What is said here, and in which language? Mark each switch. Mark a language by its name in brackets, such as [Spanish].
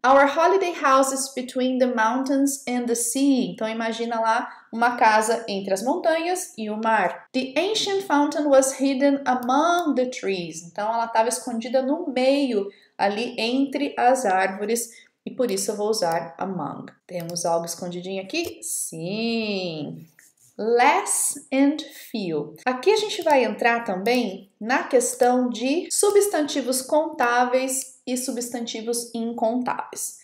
[English] Our holiday house is between the mountains and the sea. [Portuguese] Então imagina lá uma casa entre as montanhas e o mar. [English] The ancient fountain was hidden among the trees. [Portuguese] Então ela estava escondida no meio, ali entre as árvores. E por isso eu vou usar among. Temos algo escondidinho aqui? Sim! Less and few. Aqui a gente vai entrar também na questão de substantivos contáveis e substantivos incontáveis.